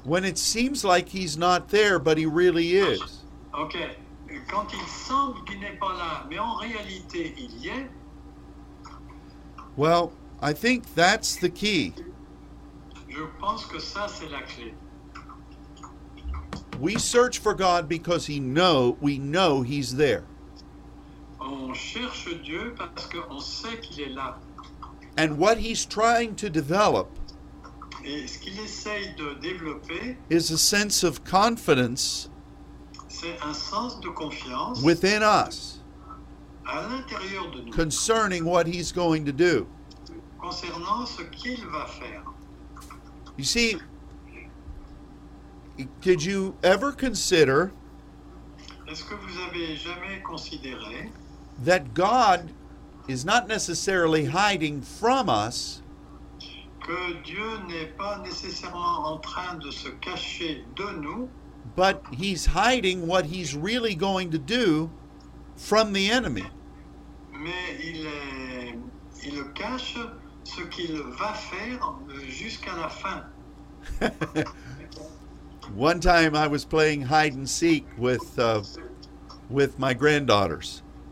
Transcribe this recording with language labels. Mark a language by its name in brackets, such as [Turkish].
[English] When it seems like he's not there, but he really is. Okay. [French] Quand il semble qu'il n'est pas là, mais en réalité, il y est. [English] Well, I think that's the key. [French] Je pense que ça, c'est la clé. [English] We search for God because we know he's there. [French] On cherche Dieu parce qu'on sait qu'il est là. [English] And what he's trying to develop, [French] et ce qu'il essaye de développer, [English] is a sense of confidence, [French] c'est un sens de confiance, [English] within us, [French] à l'intérieur de nous, [English] concerning what he's going to do. [French] Concernant ce qu'il va faire. [English] You see, could you ever consider, [French] est-ce que vous avez jamais considéré, [English] that God is not necessarily hiding from us, [French] que Dieu n'est pas nécessairement en train de se cacher de nous, [English] but he's hiding what he's really going to do from the enemy. [French] Mais il cache ce qu'il va faire jusqu'à la fin. [English] One time I was playing hide and seek with my granddaughters.